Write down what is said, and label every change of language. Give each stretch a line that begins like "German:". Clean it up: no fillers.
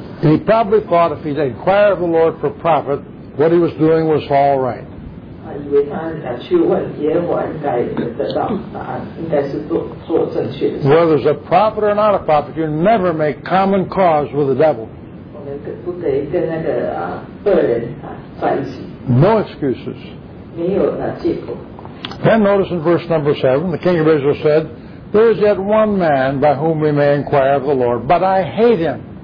English: He probably thought if he'd inquire of the Lord for a prophet, what he was doing was all right.
Chinese: 以为他想去问耶和华，应该得到答案，应该是 做正确的事。
English: Whether there's a prophet or not a prophet, you never make common cause with the devil.
Chinese: 我们不可以跟那个恶人在一起。
English: No excuses.
Chinese: 没有借口。
English: Then notice in verse number 7, the king of Israel said, there is yet one man by whom we may inquire of the Lord, but I hate him.